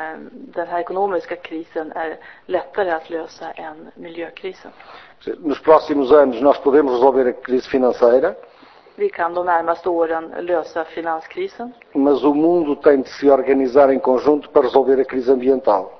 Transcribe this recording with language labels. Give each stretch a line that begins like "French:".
Swedish: Den här ekonomiska krisen är lättare att lösa än miljökrisen.
Portuguese: Nos próximos anos nós podemos resolver a crise financeira.
Swedish: Vi kan de närmaste åren lösa finanskrisen.
Portuguese: Mas o mundo tem de se organizar em conjunto para resolver a crise ambiental.